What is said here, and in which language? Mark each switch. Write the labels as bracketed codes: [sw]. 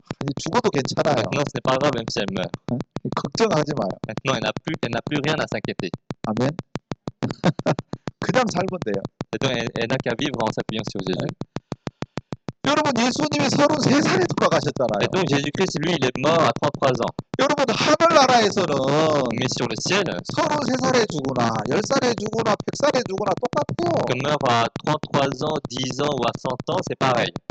[fr] Maintenant, ce n'est pas grave, même si elle meurt. Maintenant, elle n'a plus rien à s'inquiéter. Amen. Et donc, elle n'a qu'à vivre en s'appuyant sur Jésus. [ko] Amen. 여러분, 예수님이 33살에 [fr] Et [ko] 돌아가셨잖아요. [fr] donc, Jésus-Christ, lui, il est mort à 33 ans. [ko] 여러분, 하늘나라에서는 [fr] Mais sur le ciel, [ko] 33살에 죽으나, 10살에 죽으나, 100살에 죽으나 똑같아요. [fr] qu'on meurt à 33 ans, 10 ans ou à 100 ans, c'est pareil.